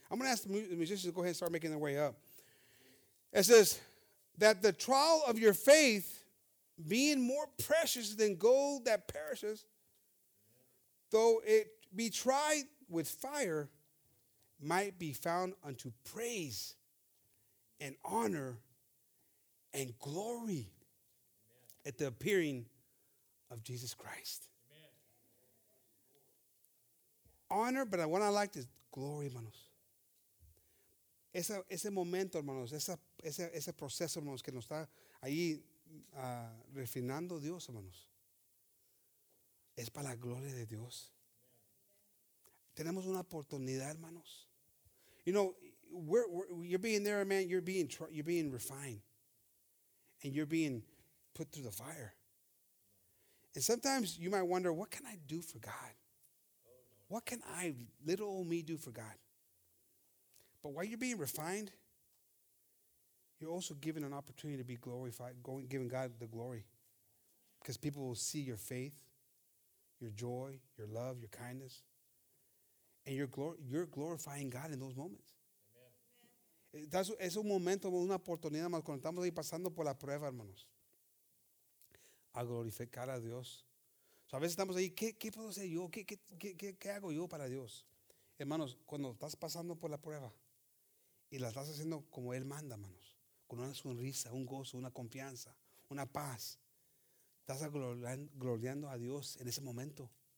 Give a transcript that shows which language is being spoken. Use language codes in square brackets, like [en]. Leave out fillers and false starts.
[en] I'm going to ask the musicians to go ahead and start making their way up. It says that the trial of your faith, being more precious than gold that perishes, though it be tried with fire, might be found unto praise and honor and glory at the appearing of Jesus Christ. Amen. Honor, but what I like is glory, hermanos. [es] Ese momento, hermanos, ese proceso, hermanos, que nos está ahí refinando Dios, hermanos. Es para la gloria de Dios. Amen. Tenemos una oportunidad, hermanos. [en] You know, you're being there, man. You're being refined. And you're being put through the fire. And sometimes you might wonder, what can I do for God? What can I, little old me, do for God? But while you're being refined, you're also given an opportunity to be glorified, giving God the glory. Because people will see your faith, your joy, your love, your kindness. And you're glorifying God in those moments. Amen. [es] Es un momento, una oportunidad más cuando estamos ahí pasando por la prueba, hermanos. A glorificar a Dios. So a veces estamos ahí, ¿qué puedo hacer yo? ¿Qué hago yo para Dios? Hermanos, cuando estás pasando por la prueba y la estás haciendo como Él manda, hermanos, con una sonrisa, un gozo, una confianza, una paz, estás gloriando a Dios en ese momento.